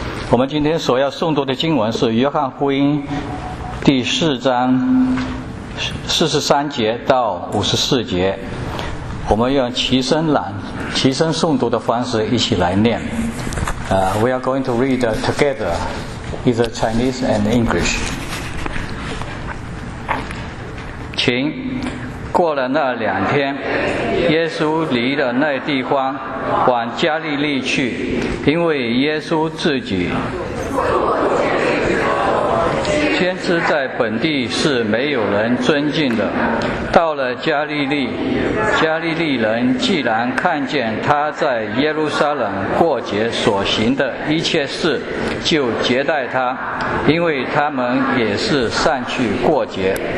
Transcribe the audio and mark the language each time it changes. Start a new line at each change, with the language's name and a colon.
Chinese: 我们今天所要诵读的经文是约翰福音第四章43节到54节。我们用齐声诵读的方式一起来念。
English: We are going to read together, either Chinese and English.
Chinese: 行过了那两天，耶稣离了那地方往加利利去，因为耶稣自己先知在本地是没有人尊敬的，到了加利利，加利利人既然看见他在耶路撒冷过节所行的一切事，就接待他，因为他们也是上去过节。